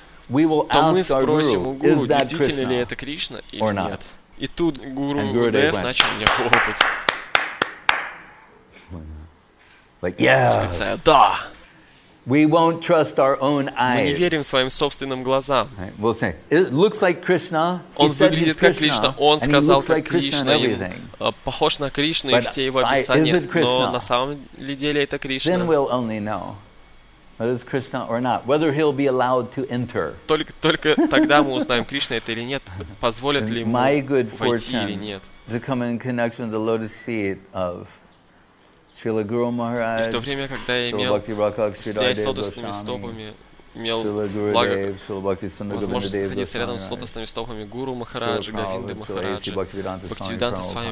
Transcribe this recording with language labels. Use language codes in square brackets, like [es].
[en] we will ask our guru, is that Krishna or not? [ru] И тут гуру Гурудев начал меня хлопать. Да. [en] We won't trust our own eyes. [ru] Мы не верим своим собственным глазам. [en] We'll say, it looks like Krishna. [ru] Он выглядит как Кришна. Он сказал, как Кришна. Похож на Кришну и все его описания. Но на самом деле это Кришна. [en] Then we'll only know whether it's Krishna or not, whether he'll be allowed to enter. [ru] Только тогда мы узнаем, Кришна это или нет, позволят ли ему войти или нет. [en] My good fortune to come in connection with the lotus feet of Srila Guru Maharaj, Srila Bhakti Rakak, Sridhar Dev Goswami, Srila Guru Dev, Srila Bhakti Sundar Govinda Dev Goswami, Srila Prabhupada, Srila Prabhupada, Bhaktivedanta Swami